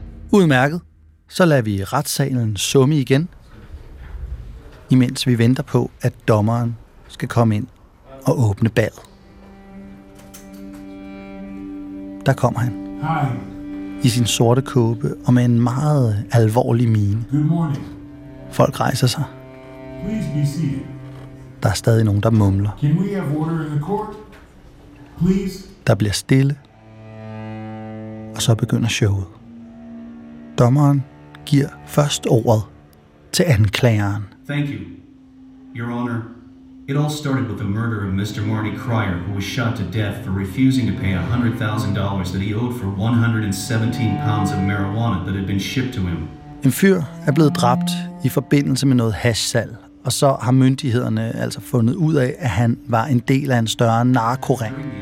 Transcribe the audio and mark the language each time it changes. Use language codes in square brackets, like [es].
[da] Udmærket, så lader vi retssalen summe igen, imens vi venter på, at dommeren skal komme ind og åbne ballet. Der kommer han. Hej. I sin sorte kåbe og med en meget alvorlig mine. [en] Good morning. [da] Folk rejser sig. [en] Please be seated. [da] Der er stadig nogen, der mumler. [en] Can we have order in the court? Please. [da] Der bliver stille. Og så begynder showet. Dommeren giver først ordet til anklageren. [en] Thank you, Your Honor. It all started with the murder of Mr. Marty Cryer, who was shot to death for refusing to pay $100,000 that he owed for 117 pounds of marijuana that had been shipped to him. [da] En fyr er blevet dræbt i forbindelse med noget hashsalg, og så har myndighederne altså fundet ud af, at han var en del af en større narkoring.